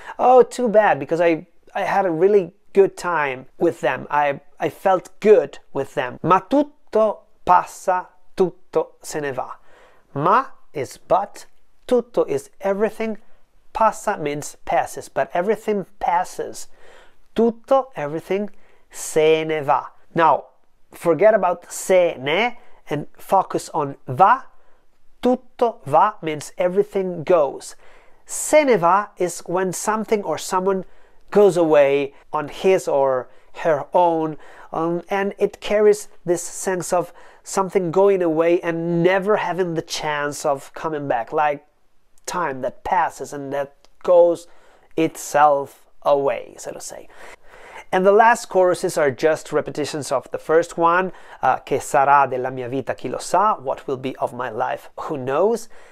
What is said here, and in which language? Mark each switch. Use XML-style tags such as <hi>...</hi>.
<en>Oh, too bad, because I had a really good time with them, I felt good with them.</en> <it>Ma tutto passa, tutto se ne va. Ma</it> <en>is but,</en> <it>tutto</it> <en>is everything,</en> <it>passa</it> <en>means passes, but everything passes.</en> <it>Tutto,</it> <en>everything,</en> <it>se ne va.</it> <en>Now, forget about</en> <it>se ne</it> <en>and focus on</en> <it>va. Tutto va</it> <en>means everything goes.</en> <it>Se ne va</it> <en>is when something or someone goes away on his or her own, and it carries this sense of something going away and never having the chance of coming back, like time that passes and that goes itself away, so to say. And the last choruses are just repetitions of the first one.</en> <it>Che sarà della mia vita, chi lo sa?</it> <en>What will be of my life, who knows?</en>